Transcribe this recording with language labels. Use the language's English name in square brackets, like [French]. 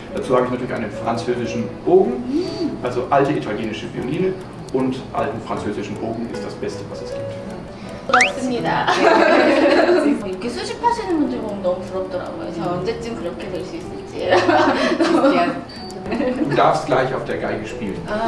[German] Dazu habe ich natürlich einen französischen Bogen, also alte italienische Violine. Und alten französischen Bogen ist das Beste, was es gibt. [Korean] 부럽습니다. 이렇게 수집하시는 분들 보면 너무 부럽더라고요. 제가 언제쯤 그렇게 될 수 있을지. [German] Du darfst gleich auf der Geige spielen.